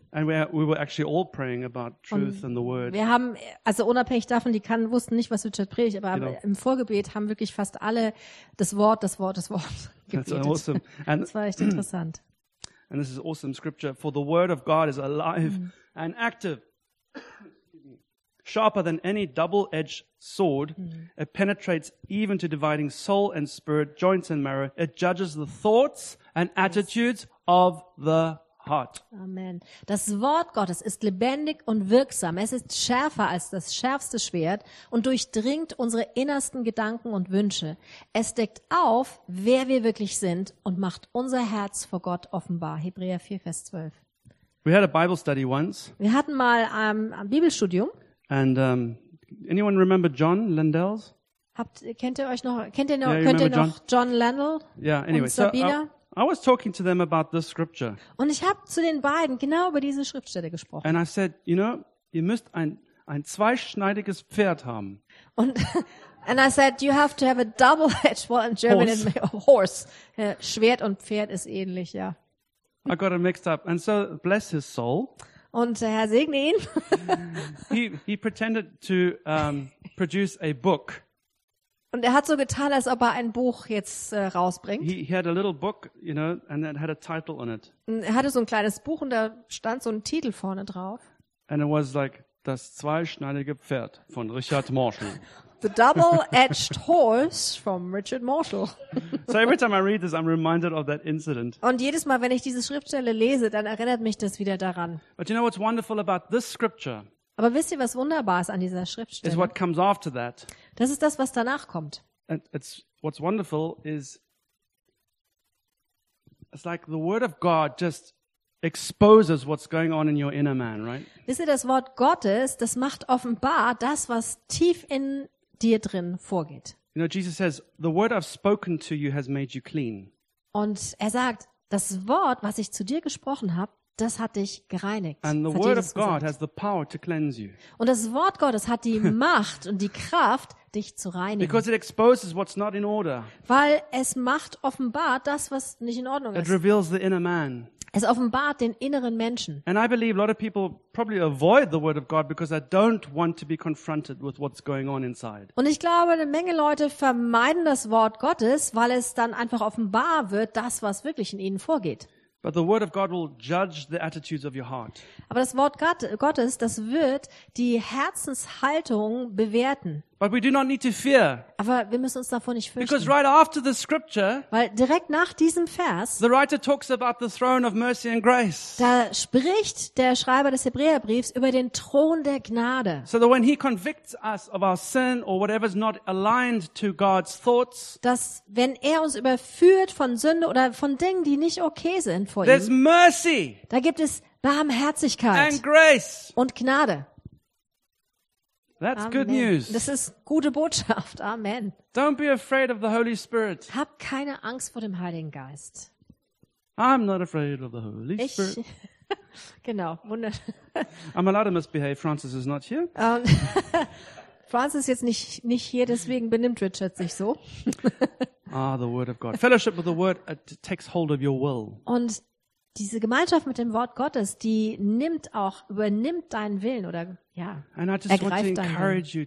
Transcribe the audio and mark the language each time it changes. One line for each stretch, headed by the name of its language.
English: And we were actually all praying about truth and the word.
German: Wir haben, also unabhängig davon, die Kanten wussten nicht, was Richard predigt, aber im Vorgebet haben wirklich fast alle das Wort gebetet.
English: That's awesome.
German: And das war echt interessant.
English: And this is awesome scripture. For the word of God is alive and active. Sharper than any double-edged sword, it penetrates even to dividing soul and spirit, joints and marrow. It judges the thoughts and attitudes of the heart. Amen.
German: Das Wort Gottes ist lebendig und wirksam. Es ist schärfer als das schärfste Schwert und durchdringt unsere innersten Gedanken und Wünsche. Es deckt auf, wer wir wirklich sind und macht unser Herz vor Gott offenbar. Hebräer 4, Vers 12.
English: We had a Bible study once.
German: Wir hatten mal ein Bibelstudium.
English: And anyone remember John Landells?
German: Kennt ihr noch John Landell?
English: Yeah, anyway,
German: und Sabina?
English: So I was talking to them about this scripture.
German: Und ich habe zu den beiden genau über diese Schriftstelle gesprochen.
English: And I said, you know,
German: ihr müsst ein zweischneidiges Pferd haben.
English: And I said, you have to have a double-edged, well, in German it's a horse.
German: Schwert und Pferd ist ähnlich, ja.
English: I got it mixed up. And so bless his soul.
German: Und der Herr segne ihn.
English: he pretended to produce a book.
German: Und er hat so getan, als ob er ein Buch jetzt rausbringt.
English: He had a little book, you know, and it had a title on it.
German: Und er hatte so ein kleines Buch und da stand so ein Titel vorne drauf.
English: And it was like
German: das zweischneidige Pferd von Richard Marshall.
English: The double-edged horse from Richard Marshall. So every time I read this, I'm reminded of that incident.
German: Und jedes Mal, wenn ich diese Schriftstelle lese, dann erinnert mich das wieder daran.
English: But you know what's wonderful about this scripture?
German: Aber wisst ihr, was wunderbar ist an dieser Schriftstelle?
English: Is what comes after that.
German: Das ist das, was danach kommt.
English: And it's what's wonderful is it's like the word of God just exposes what's going on in your inner man, right?
German: Wisst ihr, das Wort Gottes, das macht offenbar das, was tief in dir drin vorgeht.
English: You know, Jesus says, the word I've spoken to you has made you clean.
German: Und er sagt, das Wort, was ich zu dir gesprochen habe, das hat dich gereinigt.
English: And the word of God has the power to cleanse you.
German: Und das Wort Gottes hat die Macht und die Kraft, dich zu reinigen.
English: Because it exposes what's not in order.
German: Weil es macht offenbar das, was nicht in Ordnung ist.
English: It reveals the inner man.
German: Es offenbart den inneren Menschen.
English: And I believe a lot of people probably avoid the word of God because they don't want to be confronted with what's going on inside.
German: Und ich glaube, eine Menge Leute vermeiden das Wort Gottes, weil es dann einfach offenbar wird, das, was wirklich in ihnen vorgeht.
English: But the word of God will judge the attitudes of your heart.
German: Aber das Wort Gottes, das wird die Herzenshaltung bewerten.
English: But we do not need to fear.
German: Aber wir müssen uns davor nicht fürchten.
English: Because right after the scripture,
German: weil direkt nach diesem Vers,
English: the writer talks about the throne of mercy and grace.
German: Da spricht der Schreiber des Hebräerbriefs über den Thron der Gnade.
English: So that when he convicts us of our sin or whatever is not aligned to God's thoughts,
German: dass wenn er uns überführt von Sünde oder von Dingen, die nicht okay sind vor ihm,
English: there's mercy.
German: Da gibt es Barmherzigkeit
English: and grace.
German: Und Gnade.
English: That's good news.
German: Das ist gute Botschaft. Amen.
English: Don't be afraid of the Holy Spirit.
German: Hab keine Angst vor dem Heiligen Geist.
English: I'm not afraid of the Holy Spirit.
German: Genau.
English: I'm allowed to misbehave. Francis is not here.
German: Francis ist jetzt nicht hier, deswegen benimmt Richard sich so.
English: Ah, the word of God. Fellowship with the word takes hold of your will.
German: Und diese Gemeinschaft mit dem Wort Gottes, die nimmt auch, übernimmt deinen Willen oder ja, ergreift deinen Willen.